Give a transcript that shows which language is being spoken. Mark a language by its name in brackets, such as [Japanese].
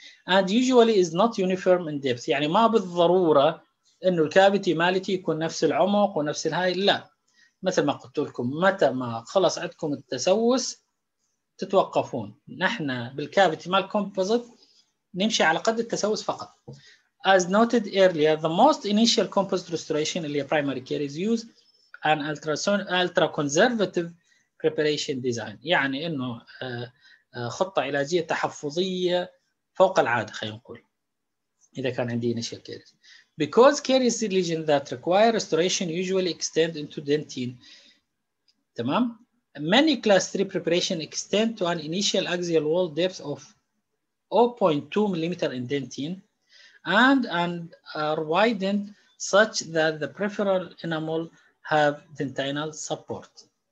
[English] And usually is not uniform in depth [Arabic] يعني ما بالضرورة انه الكافيتي مالتي يكون نفس العمق ونفس الهاي، لا مثل ما قلت لكم متى ما خلص عندكم التسوس تتوقفون. نحن بالكافيتي مال كومبوزيت نمشي على قد التسوس فقط. [English] As noted earlier, the most initial composite restoration in the primary care is used an ultra-conservative preparation design. [Arabic] يعني إنه خطة علاجية تحفظية فوق العادة خلينا نقول إذا كان عندي initial caries. [English] Because caries lesions that require restoration usually extend into dentine. [Arabic] تمام؟ [English] Many class 3 preparation extend to an initial axial wall depth of 0.2 millimeter in dentine. And are widened such that the peripheral enamel have dentinal support.